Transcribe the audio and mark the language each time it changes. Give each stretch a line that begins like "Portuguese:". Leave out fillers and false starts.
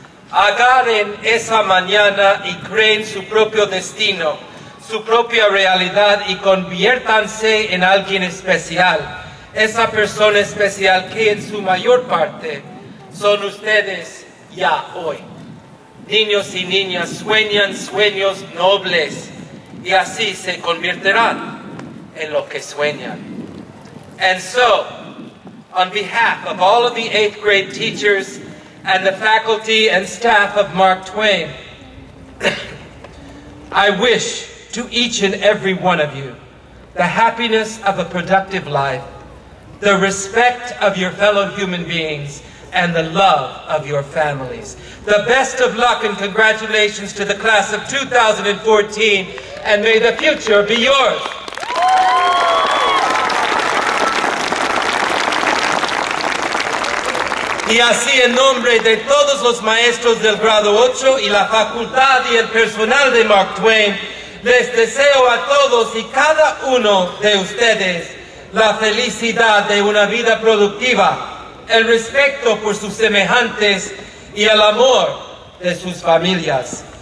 Spanish: Agarren esa mañana y creen su propio destino, su propia realidad y conviértanse en alguien especial. Esa persona especial que en su mayor parte son ustedes ya hoy. Niños y niñas sueñan sueños nobles y así se convertirán en lo que sueñan.
English: And so, on behalf of all of the eighth grade teachers and the faculty and staff of Mark Twain, I wish to each and every one of you the happiness of a productive life, the respect of your fellow human beings, and the love of your families. The best of luck and congratulations to the class of 2014, and may the future be yours.
Spanish: Y así en nombre de todos los maestros del grado 8 y la facultad y el personal de Mark Twain, les deseo a todos y cada uno de ustedes la felicidad de una vida productiva, el respeto por sus semejantes y el amor de sus familias.